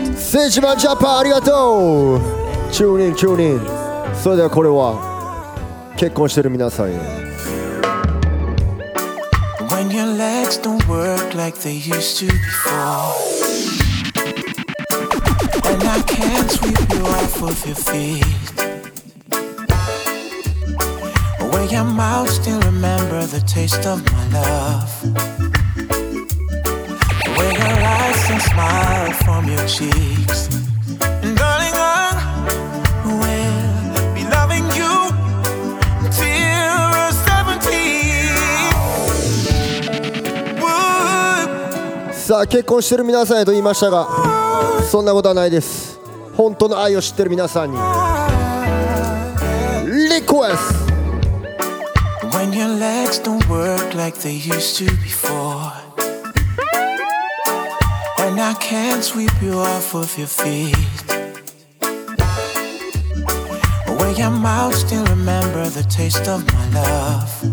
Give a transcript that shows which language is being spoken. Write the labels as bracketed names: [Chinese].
[Japanese] Sejiman Japan, ありがとう。 [English] Tune in, tune in. [Japanese] それではこれは結婚してる皆さんへ。 [English] When your legs don't work like they used to before. And I can't sweep you off of your feet. When your mouth still remembers the taste of my love. When your eyes still smile from your cheeks. And darling, I will be loving you till we're 17. [Japanese] さあ、結婚してる皆さんへと言いましたが、そんなことはないです。本当の愛を知ってる皆さんに。リクエスト。 [English] When your legs don't work like they used to before. When I can't sweep you off of your feet. When your mouth still remembers the taste of my love.